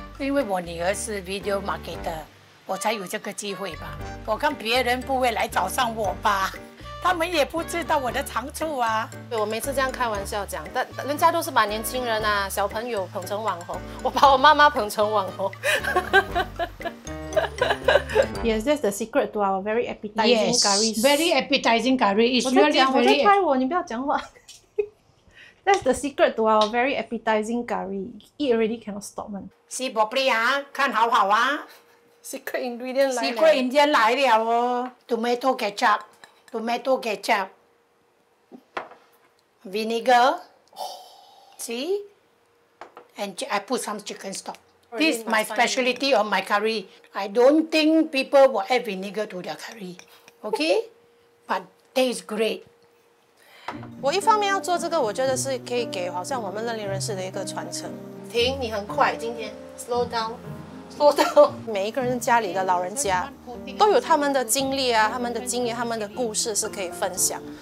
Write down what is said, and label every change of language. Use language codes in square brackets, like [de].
[zh] 因为我女儿是 video marketer， 我才有这个机会吧。我看别人不会来找上我吧，他们也不知道我的长处啊。我每次这样开玩笑讲，但人家都是把年轻人啊小朋友捧成网红，我把我妈妈捧成网红。 [en] Yes, that's the secret to our very appetizing curry. Yes, very appetizing curry. It's really [zh] very. 我在拍我，你不要讲话。 [en] That's the secret to our very appetizing curry. Eat already cannot stop, man. See properly, ah, [zh] 看好好啊。 [en] Secret ingredient [zh] 来了。 [en] Secret ingredient [zh] 来了哦。 [en] Tomato ketchup, tomato ketchup, vinegar. See, and I put some chicken stock. This is my specialty of my curry. I don't think people will add vinegar to their curry. Okay? But tastes great. [zh] 我一方面要做这个，我觉得是可以给好像我们认领人士的一个传承。停，你很快，今天 [en] slow down, slow down. [zh] 每一个人家里的老人家都有他们的经历啊，他们的经验，他们的故事是可以分享。